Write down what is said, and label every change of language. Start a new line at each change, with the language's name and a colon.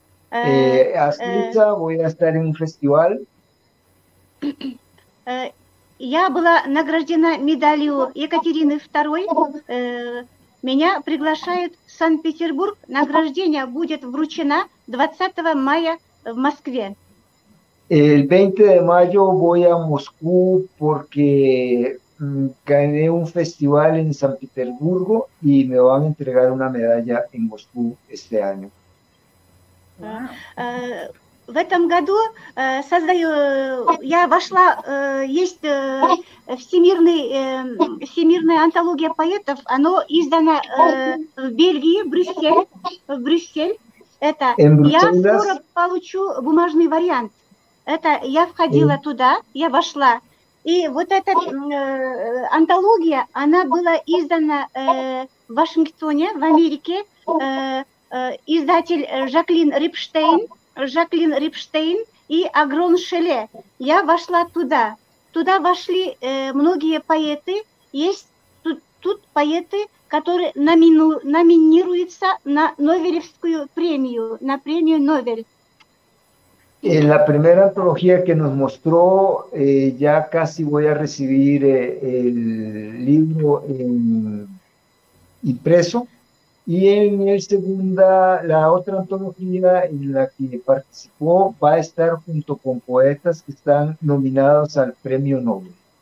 Russian: Остается, вы оставим фестиваль. Я была награждена медалью Екатерины II. Меня приглашают в Санкт-Петербург. Награждение будет вручено 20 мая в Москве.
Spanish: El 20 de mayo voy a Moscú porque gané un festival en San Petersburgo y me van a entregar una medalla en Moscú este año.
Russian: в этом году создаю, я вошла, есть всемирная антология поэтов, оно издано в Бельгии, в Брюссель. Это я скоро получу бумажный вариант. Это я входила туда, я вошла. И вот эта антология, она была издана в Вашингтоне, в Америке, издатель Жаклин Рипштейн и Агрон Шеле. Я вошла туда. Туда вошли многие поэты. Есть тут поэты, которые номинируются на Нобелевскую премию, на премию Нобель.
Spanish: La primera antología que nos mostró, ya casi voy a recibir el libro impreso, y en la otra antología en la que participó va a estar junto con poetas que están nominados al Premio Nobel.